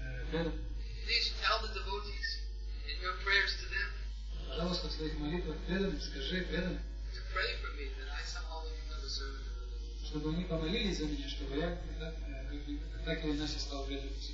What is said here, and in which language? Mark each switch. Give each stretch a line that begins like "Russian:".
English: Please tell the devotees in your prayers to them.
Russian: Пожалуйста, в своих молитвах преданным скажи преданным.
English: To pray for me that I somehow become a servant.
Russian: Чтобы они помолились за меня, чтобы я так или иначе стал преданным.